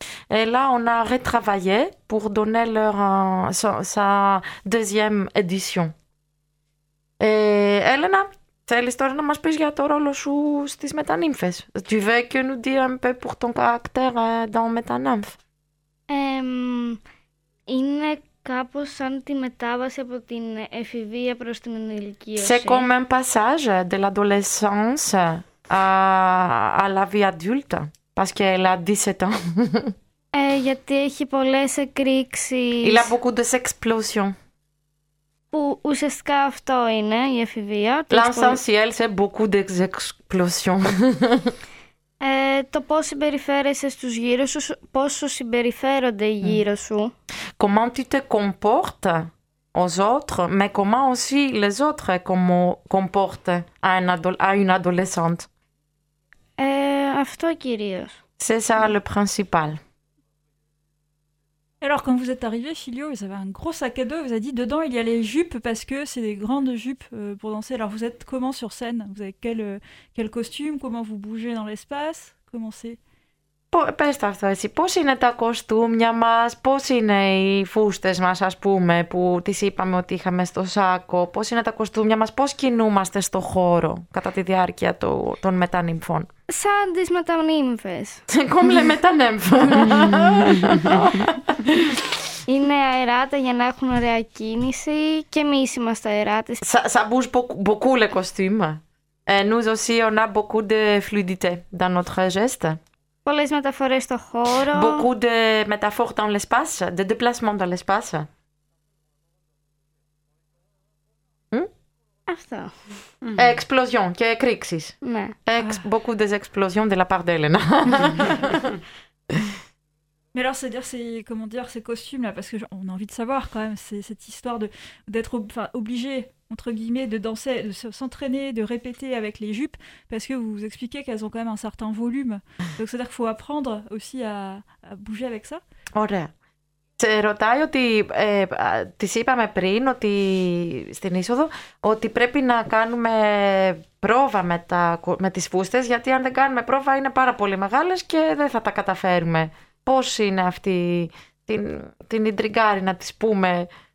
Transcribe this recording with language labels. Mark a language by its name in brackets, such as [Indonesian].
[French] Et là, on a retravaillé pour donner sa deuxième édition. Elena, c'est l'histoire de ma spécialité de ton rôle sous les Métanymphes. Tu veux que nous dire un peu pour ton caractère dans Métanymphes? [Greek] Είναι Κάπως σαν τη μετάβαση από την εφηβεία προς την ενηλικίωση. [French] C'est comme un passage de l'adolescence à la vie adulte, parce qu'elle a 17 ans. [Greek] Γιατί έχει πολλές εκρήξεις. [French] Il a beaucoup de explosions. [Greek] Που ουσιαστικά αυτό είναι η εφηβεία. [French] L'essentiel, c'est beaucoup d'explosions. [Greek] Το πώς συμπεριφέρεσαι στους γύρω σου, πόσο συμπεριφέρονται γύρω σου. [French] Comment tu te comportes aux autres, mais comment aussi les autres comportent à une adolescente. [Greek] Αυτό κυρίως. [French] C'est ça le principal. Alors, quand vous êtes arrivé, Filio, vous avez un gros sac à dos. Vous avez dit, dedans, il y a les jupes, parce que c'est des grandes jupes pour danser. Alors, vous êtes comment sur scène? Vous avez quel costume? Comment vous bougez dans l'espace? Comment c'est? [Greek] Πες το αυτό εσύ. Πώς είναι τα κοστούμια μας? Πώς είναι οι φούστες μας, ας πούμε, που τις είπαμε ότι είχαμε στο σάκο? Πώς είναι τα κοστούμια μας? Πώς κινούμαστε στο χώρο κατά τη διάρκεια των μετανυμφών? Σαν τις μετανύμφες. [French] Comme les μετανύμφες. [Greek] Είναι αεράτα για να έχουν ωραία κίνηση και εμείς είμαστε αεράτες. [French] Ça bouge beaucoup le costume. Nous aussi, on a beaucoup de fluidité dans notre geste. [Greek] Πολλές μεταφορές στο χώρο. [French] Beaucoup de métaphores dans l'espace, de déplacement dans l'espace. [Greek] Αυτό. [French] Explosion [Greek] και εκρήξεις. Ναι. [French] Beaucoup des explosions de la part d'Elena. Mais alors, c'est-à-dire, ces costumes-là, parce qu'on a envie de savoir quand même, c'est cette histoire d'être obligé, entre guillemets, de danser, de s'entraîner, de répéter avec les jupes, parce que vous expliquez qu'elles ont quand même un certain volume. Donc, c'est-à-dire qu'il faut apprendre aussi à bouger avec ça. [Greek] Ωραία. Σε ρωτάει ότι, της είπαμε πριν ότι στην είσοδο, ότι πρέπει να κάνουμε πρόβα με τις φούστες, γιατί αν δεν κάνουμε πρόβα είναι πάρα πολύ μεγάλες και δεν θα τα καταφέρουμε. Πώς είναι αυτή την ιντριγκάρη να τις πούμε?